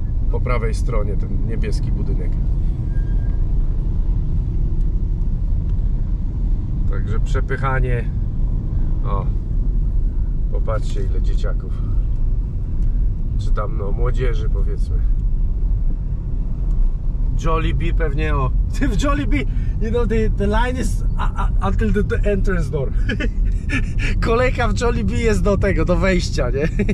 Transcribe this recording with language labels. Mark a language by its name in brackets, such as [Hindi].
[Polish] Po prawej stronie ten niebieski budynek. Także przepychanie. O, popatrzcie, ile dzieciaków. Czy tam, no, młodzieży, powiedzmy. Jollibee pewnie, o. W Jollibee, [English] you know, the line is until the entrance door. [Polish] Kolejka w Jollibee jest do tego, do wejścia, nie?